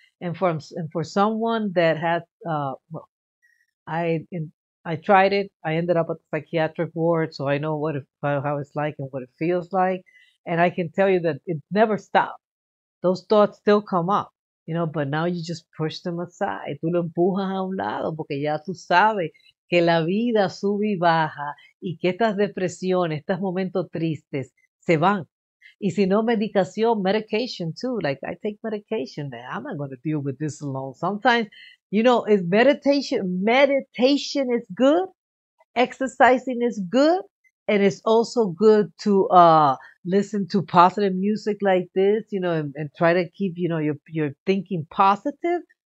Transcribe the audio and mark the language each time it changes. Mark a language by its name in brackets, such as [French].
[English] And for someone that has, I tried it. I ended up at the psychiatric ward, so I know what how it's like and what it feels like. And I can tell you that it never stopped. Those thoughts still come up. You know, but now you just push them aside. [Spanish] Tú lo empujas a un lado porque ya tú sabes que la vida sube y baja y que estas depresiones, estos momentos tristes, se van. Y si no, medicación, [English] medication too. Like, I take medication, man. I'm not going to deal with this alone. Sometimes, you know, is meditation is good. Exercising is good. And it's also good to listen to positive music like this, you know, and try to keep, you know, your thinking positive.